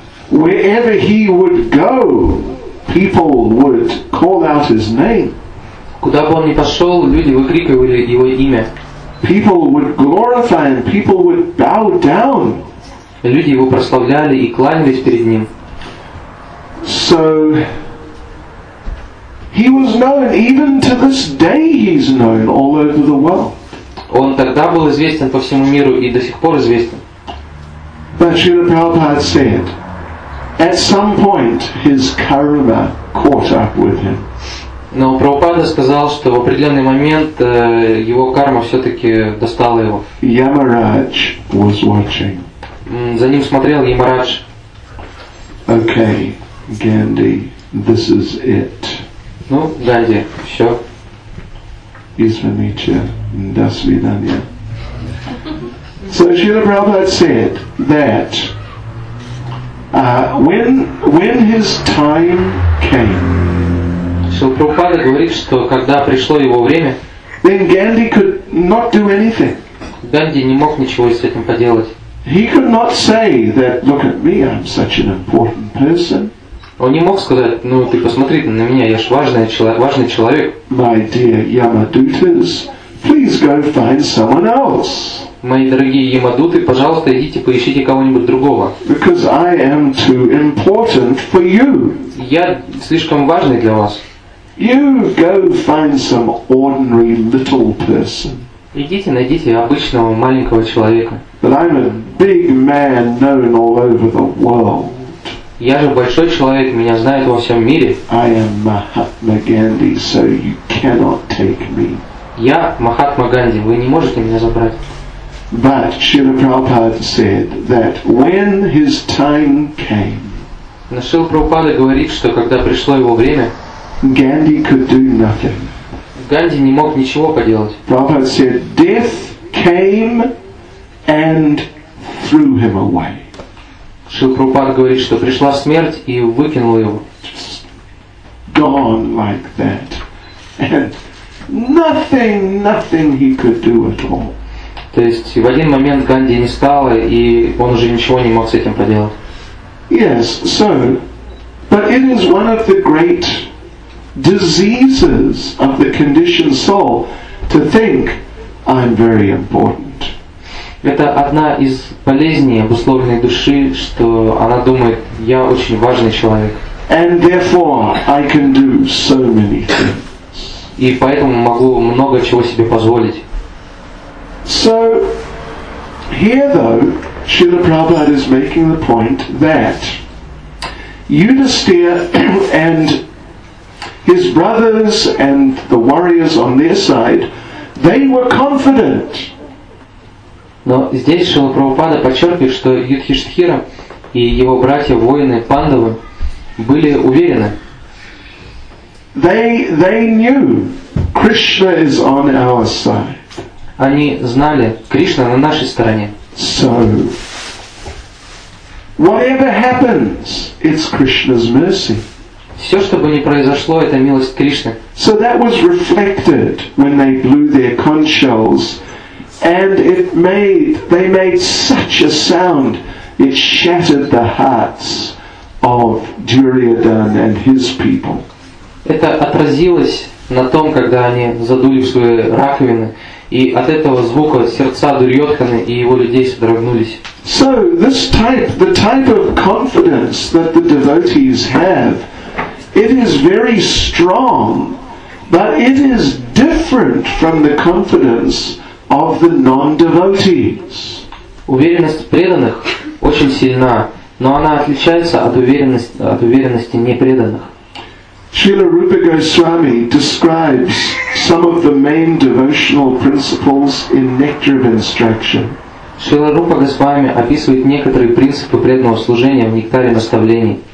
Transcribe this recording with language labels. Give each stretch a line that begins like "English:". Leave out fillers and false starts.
English: Wherever he would go, people would call out his name.
Russian: Куда бы он ни пошел, люди выкрикивали его имя.
English: People would glorify him. People would bow down.
Russian: Люди его прославляли и кланялись перед ним.
English: So he was known even to this day. He's known all over the world.
Russian: Он тогда был известен по всему миру и до сих пор известен.
English: But Srila Prabhupada said, at some point his karma caught up with him.
Russian: Но Прабхупада сказал, что в определенный момент его карма все-таки достала его.
English: Ямарадж was watching.
Russian: За ним смотрел Ямарадж.
English: Okay. Ганди, this is it.
Russian: Ну, Ганди, все. Извините, до свидания.
English: So Srila Prabhupada said that when his time came.
Russian: Шрила Прабхупада говорит, что когда пришло его время,
English: then Ганди could not do anything.
Russian: Ганди не мог ничего с этим поделать.
English: He could not say that, look at me, I'm such an important person.
Russian: Он не мог сказать, ну ты посмотри на меня, я ж важный человек.
English: My dear Yamadutas, please go find someone else.
Russian: Мои дорогие Ямадуты, пожалуйста, идите поищите кого-нибудь другого.
English: Because I am too important for you.
Russian: Я слишком важный для вас.
English: You go find some ordinary little person.
Russian: Идите, найдите обычного маленького человека.
English: But I'm a big man known all over the world.
Russian: Я же большой человек, меня знают во всем мире.
English: I am Mahatma Gandhi, so you cannot take me.
Russian: Я Махатма Ганди, вы не можете меня забрать.
English: But Srila Prabhupada said that when his time came.
Russian: Но Шрила Прабхупада говорит, что когда пришло его время,
English: Ганди could do nothing.
Russian: Ганди не мог ничего поделать.
English: Prabhupada said death came and threw him away.
Russian: Шрила Прабхупада говорит, что пришла смерть и выкинула его.
English: Gone like that. And nothing he could do at all.
Russian: То есть в один момент Ганди не стало, и он уже ничего не мог с этим поделать.
English: Yes, so, but it is one of the great diseases of the conditioned soul to think I'm very important.
Russian: Это одна из болезней обусловленной души, что она думает, я очень важный человек.
English: And therefore I can do so many things.
Russian: И поэтому могу много чего себе позволить.
English: So here though, Srila Prabhupada is making the point that Yudhisthira and his brothers and the warriors on their side, they were confident.
Russian: Но здесь Шрила Прабхупада подчеркивает, что Юдхиштхира и его братья-воины Пандавы были уверены.
English: They knew Krishna is on our side.
Russian: Они знали, Кришна на нашей стороне.
English: So, whatever happens, it's Krishna's mercy.
Russian: Все, что бы ни произошло, это милость Кришны.
English: So that was reflected when they blew their conch shells. And they made such a sound, it shattered the hearts of Duryodhana and his people.
Russian: Это отразилось на том, когда они задули свои раковины, и от этого звука сердца Дурьотханы и его людей содрогнулись.
English: So this type, the type of confidence that the devotees have, it is very strong, but it is different from the confidence of the non-devotees.
Russian: Уверенность преданных очень сильна, но она отличается от уверенности непреданных.
English: Srila Rupa Goswami describes some of the main devotional principles in Nectar of Instruction.
Russian: Srila Rupa Goswami описывает некоторые принципы преданного служения в Нектаре наставлений.